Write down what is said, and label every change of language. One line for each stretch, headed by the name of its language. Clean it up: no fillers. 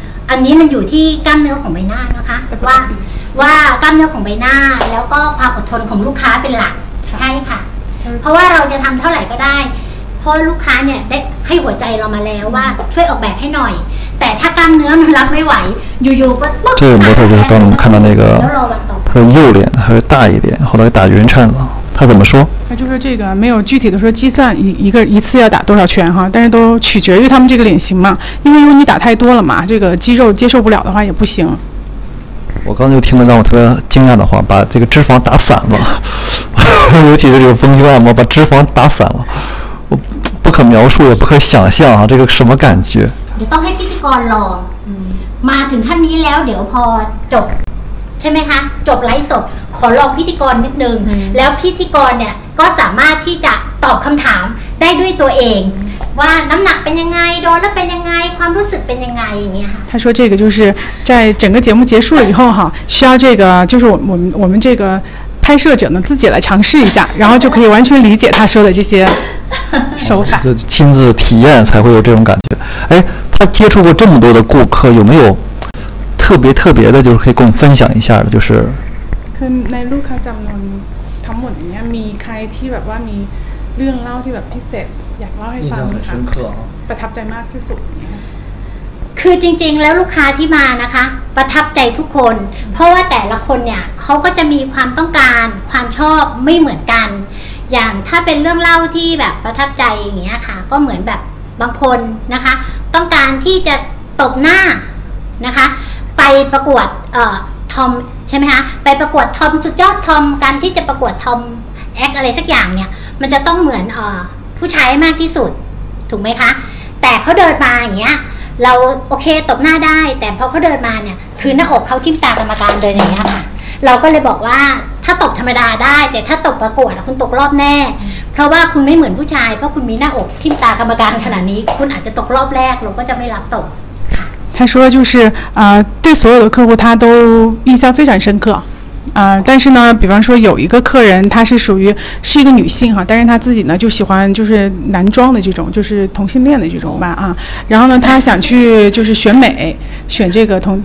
Thai: อันนี้มันอยู่ที่กล้ามเนื้อของใบหน้านะคะว่ากล้ามเนื้อของใบหน้าแล้วก็ความอดทนของลูกค้าเป็นหลักใช่ค่ะเพราะว่าเราจะทำเท่าไหร่ก็ได้เพราะลูกค้าเนี่ยได้ให้หัวใจเรามาแล้วว่าช่วยออกแบบให้หน่อยแต่ถ้ากล้ามเนื้อมันรับไม่ไหวอยู่ๆปุ๊บ คือ
Chinese: 模特就是刚看到那个他的右脸还会大一点后来打圆圈了他怎么说他就说这个没有具体的说计算一次要打多少圈哈但是都取决于他们这个脸型嘛因为如果你打太多了嘛这个肌肉接受不了的话也不行我刚才就听了让我特别惊讶的话把这个脂肪打散了尤其是这个丰胸按摩把脂肪打散了我不可描述也不可想象啊这个什么感觉你得让
Thai: พิธีกรรอมาถึงท่านนี้แล้วเดี๋ยวพอจบใช่ไหมคะจบไลฟ์สดขอลองพิธีกรนิดนึงแล้วพิธีกรเนี่ยก็สามารถที่จะตอบคำถามได้ด้วยตัวเองว่าน้ำหนักเป็นยังไงโดนแล้วเป็นยังไงความรู้สึกเป็นยังไงอย่างเงี้ยค่ะ
Chinese: 他说这个就是在整个节目结束了以后哈需要这个就是我们这个拍摄者呢自己来尝试一下然后就可以完全理解他说的这些手法就亲自体验才会有这种感觉哎他接触过这么多的顾客有没有特别特别的就是可以跟我们分享一下的就是
Thai: คือในลูกค้าจำนวนทั้งหมดเนี่ยมีใครที่แบบว่ามีเรื่องเล่าที่แบบพิเศษอยากเล่าให้ฟัง ค่ะ ประทับใจมากที่สุด คือจริงๆแล้วลูกค้าที่มานะคะประทับใจทุกคนเพราะว่าแต่ละคนเนี่ยเขาก็จะมีความต้องการความชอบไม่เหมือนกันอย่างถ้าเป็นเรื่องเล่าที่แบบประทับใจอย่างเงี้ยค่ะก็เหมือนแบบบางคนนะคะต้องการที่จะตบหน้านะคะไปประกวด ทอมใช่ไหมคะไปประกวดทอมสุดยอดทอมการที่จะประกวดทอมแอคอะไรสักอย่างเนี่ยมันจะต้องเหมือนผู้ชายมากที่สุดถูกไหมคะแต่เขาเดินมาอย่างเงี้ยเราโอเคตบหน้าได้แต่พอเขาเดินมาเนี่ยคือหน้าอกเขาทิ่มตากรรมการเดินอย่างเงี้ยค่ะเราก็เลยบอกว่าถ้าตบธรรมดาได้แต่ถ้าตบประกวดคุณตกรอบแน่เพราะว่าคุณไม่เหมือนผู้ชายเพราะคุณมีหน้าอกทิ่มตากรรมการขนาดนี้คุณอาจจะตกรอบแรกเราก็จะไม่รับตบ
Chinese: 他说就是对所有的客户他都印象非常深刻但是呢比方说有一个客人他是属于是一个女性哈但是他自己呢就喜欢就是男装的这种就是同性恋的这种吧啊然后呢他想去就是选美选这个